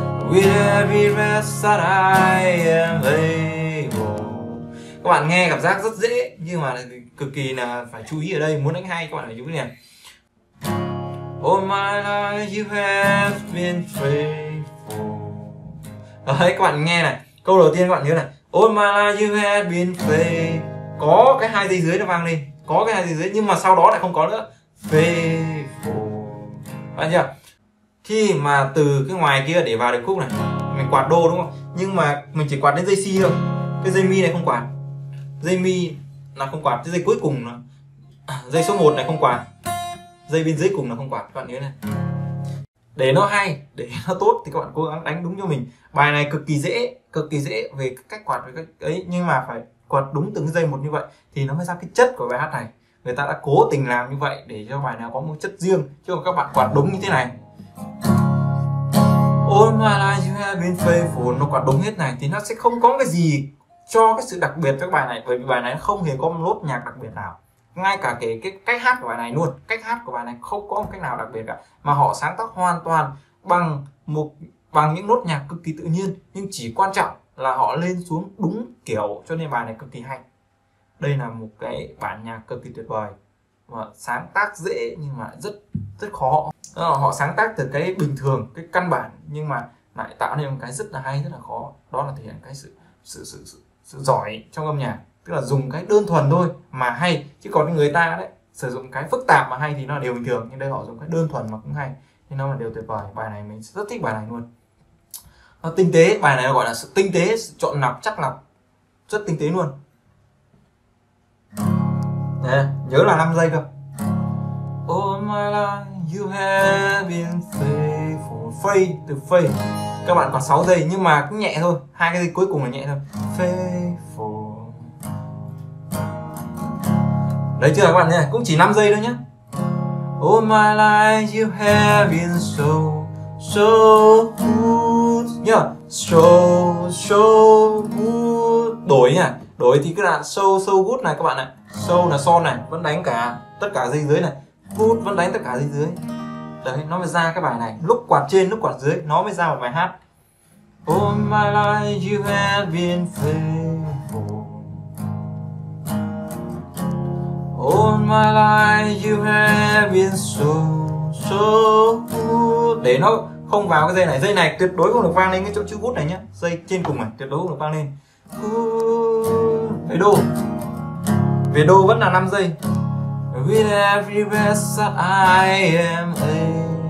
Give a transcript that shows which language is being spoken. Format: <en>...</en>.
<en>With every rest that I am able.</en> <vi>Các bạn nghe cảm giác rất dễ, nhưng mà cực kỳ là phải chú ý ở đây. Muốn đánh hay các bạn phải chú ý nè.</vi> <en>All my life you have been faithful.</en> <vi>Đấy, các bạn nghe này. Câu đầu tiên các bạn nhớ này.</vi> <en>All my life you have been faithful.</en> <vi>Có cái hai dây dưới nó vang lên. Có cái hai dây dưới nhưng mà sau đó lại không có nữa. Faithful. Bạn chưa? Khi mà từ cái ngoài kia để vào được khúc này, mình quạt đô đúng không? Nhưng mà mình chỉ quạt đến dây si thôi. Cái dây mi này không quạt. Dây mi là không quạt, cái dây cuối cùng là dây số 1 này không quạt. Dây bên dưới cùng là không quạt, các bạn nhớ này. Để nó hay, để nó tốt thì các bạn cố gắng đánh đúng cho mình. Bài này cực kỳ dễ về cách quạt với cách ấy, nhưng mà phải quạt đúng từng dây một như vậy thì nó mới ra cái chất của bài hát này. Người ta đã cố tình làm như vậy để cho bài nào có một chất riêng, chứ còn các bạn quạt đúng như thế này.</vi> <en>All my life you have been faithful.</en> <vi>Nó quạt đúng hết này thì nó sẽ không có cái gì cho cái sự đặc biệt cho cái bài này. Bởi vì bài này không hề có một nốt nhạc đặc biệt nào. ngay cả cái cách hát của bài này luôn. Cách hát của bài này không có một cách nào đặc biệt cả, mà họ sáng tác hoàn toàn bằng một bằng những nốt nhạc cực kỳ tự nhiên, nhưng chỉ quan trọng là họ lên xuống đúng kiểu, cho nên bài này cực kỳ hay. Đây là một cái bản nhạc cực kỳ tuyệt vời và sáng tác dễ nhưng mà rất rất khó. Họ sáng tác từ cái bình thường, cái căn bản, nhưng mà lại tạo nên một cái rất là hay, rất là khó. Đó là thể hiện cái sự giỏi trong âm nhạc, tức là dùng cái đơn thuần thôi mà hay. Chứ còn người ta đấy sử dụng cái phức tạp mà hay thì nó là điều bình thường, nhưng đây họ dùng cái đơn thuần mà cũng hay, thì nó là điều tuyệt vời. Bài này mình rất thích bài này luôn. Nó tinh tế, bài này gọi là sự tinh tế, sự chọn lọc chắc lọc, rất tinh tế luôn. Nè, nhớ là 5 giây cơ.</vi> <en>All my life you have been faithful. Fade to fade.</en> <vi>Các bạn còn 6 giây nhưng mà cũng nhẹ thôi. Hai cái giây cuối cùng là nhẹ thôi.</vi> <en>Faithful.</en> <vi>Đấy chưa các bạn nhé, cũng chỉ 5 giây thôi nhé.</vi> <en>All my life you have been so, so good.</en> <vi>Nhớ</vi> <en>so, so good.</en> <vi>Đổi nhỉ, đổi thì cứ là</vi> <en>so, so good</en> <vi>này các bạn ạ. So là son này, vẫn đánh cả tất cả dây dưới này. Good vẫn đánh tất cả dây dưới. Đấy, nó mới ra cái bài này. Lúc quạt trên, lúc quạt dưới, nó mới ra một bài hát.</vi> <en>All my life you have been faithful. All my life you have been so, so good.</en> <vi>Để nó không vào cái dây này tuyệt đối không được vang lên cái chỗ chữ good này nhá. Dây trên cùng này, tuyệt đối không được vang lên.</vi> <en>Good.</en> <vi>Đấy đô. Về đô vẫn là 5 giây.</vi> <en>With every breath that I am able.</en>